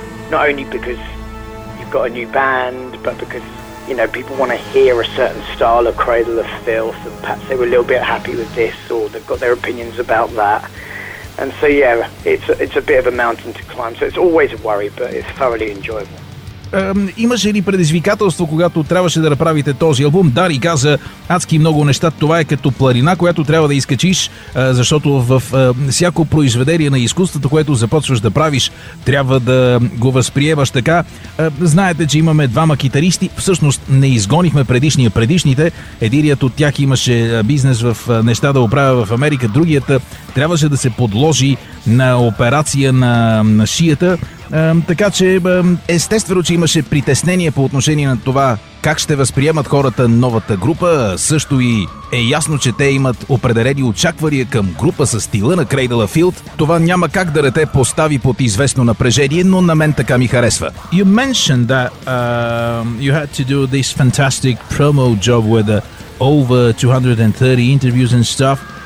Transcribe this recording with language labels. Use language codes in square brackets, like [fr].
[en] Not only because you've got a new band, but because, you know, people want to hear a certain style of Cradle of Filth, and perhaps they were a little bit happy with this, or they've got their opinions about that. And so, yeah, it's a bit of a mountain to climb. So it's always a worry, but it's thoroughly enjoyable. [bg] Имаше ли предизвикателство, когато трябваше да направите този албум? Дари каза адски много неща. Това е като планина, която трябва да изкачиш, защото в всяко произведение на изкуството, което започваш да правиш, трябва да го възприемаш така. Знаете, че имаме двама китаристи. Всъщност не изгонихме предишните. Единият от тях имаше бизнес в неща да оправя в Америка. Другият трябваше да се подложи на операция на шията. Така че естествено, че имаше притеснение по отношение на това как ще възприемат хората новата група. Също и е ясно, че те имат определени очаквания към група с стила на Cradle of Field. Това няма как да не те постави под известно напрежение, но на мен така ми харесва. [en] You mentioned that you had to do this fantastic promo job with over 230 interviews and stuff.